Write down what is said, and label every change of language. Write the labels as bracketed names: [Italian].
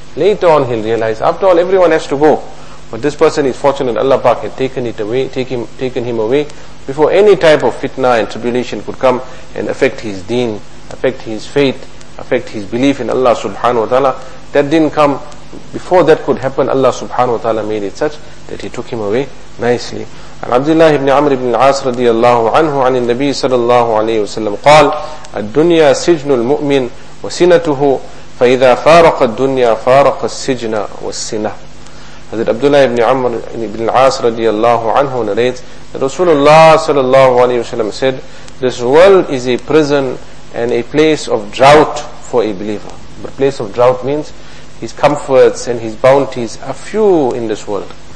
[English] Later on he'll realize, after all everyone has to go, but this person is fortunate, Allah Pak had taken him away before any type of fitna and tribulation could come and affect his deen, affect his faith, affect his belief in Allah subhanahu wa ta'ala. That didn't come. Before that could happen, Allah subhanahu wa ta'ala made it such that he took him away nicely. [Arabic] عن عبد الله بن عمرو بن العاص رضي الله عنه عن النبي صلى الله عليه وسلم قال الدنيا سجن المؤمن وسنته فإذا فارق الدنيا فارق السجن والسنة. [English] حضرت عبد الله بن عمرو بن العاص رضي الله عنه narrates that Rasulullah صلى الله عليه وسلم said, this world is a prison and a place of drought for a believer. But place of drought means his comforts and his bounties are few in this world.